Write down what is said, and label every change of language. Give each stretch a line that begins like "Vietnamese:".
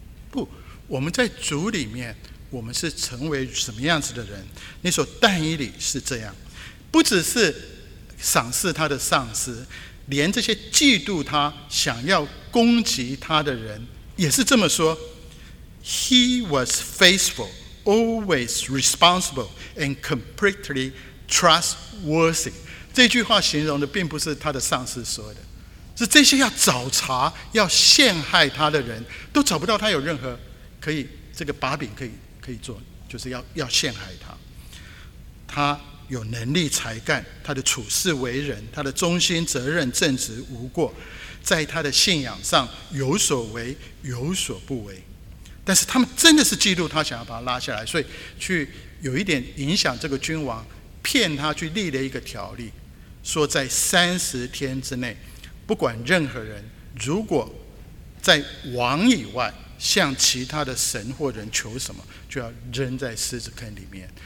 Chinese: 不，我们在主里面，我们是成为什么样子的人，你所担忆里是这样，不只是赏识他的上司，连这些嫉妒他想要攻击他的人也是这么说。
English: He was faithful, always responsible and completely trustworthy。
Chinese: 这句话形容的并不是他的上司说的，是这些要找茬要陷害他的人都找不到他有任何可以这个把柄可以做，就是 要陷害他。他有能力才干，他的处事为人，他的忠心责任正直无过，在他的信仰上有所为有所不为，但是他们真的是嫉妒他，想要把他拉下来，所以去有一点影响这个君王，骗他去立了一个条例，说在30天之内，不管任何人如果在王以外向其他的神或人求什么，就要扔在狮子坑里面。